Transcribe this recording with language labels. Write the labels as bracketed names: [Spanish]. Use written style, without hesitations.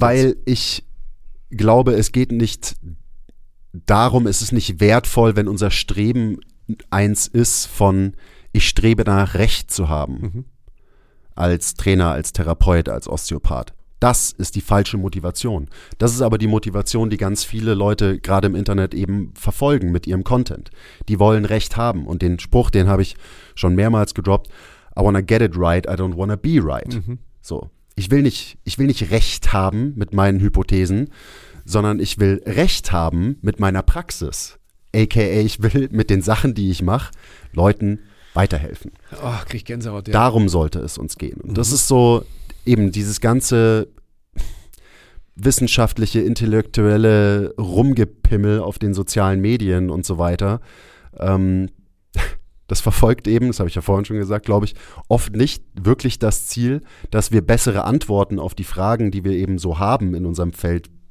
[German] Weil ich glaube, es geht nicht darum, es ist nicht wertvoll, wenn unser Streben eins ist von, ich strebe danach, Recht zu haben. Als Trainer, als Therapeut, als Osteopath. Das ist die falsche Motivation. Das ist aber die Motivation, die ganz viele Leute gerade im Internet eben verfolgen mit ihrem Content. Die wollen Recht haben. Und den Spruch, den habe ich schon mehrmals gedroppt. [English] I wanna get it right, I don't wanna be right. [German] So, ich will nicht Recht haben mit meinen Hypothesen, sondern ich will Recht haben mit meiner Praxis. A.k.a. ich will mit den Sachen, die ich mache, Leuten weiterhelfen. Oh, krieg ich Gänsehaut. Ja. Darum sollte es uns gehen. Und das ist so eben dieses ganze wissenschaftliche, intellektuelle Rumgepimmel auf den sozialen Medien und so weiter, das verfolgt eben, das habe ich ja vorhin schon gesagt, glaube ich, oft nicht wirklich das Ziel, dass wir bessere Antworten auf die Fragen, die wir eben so haben in unserem Feld,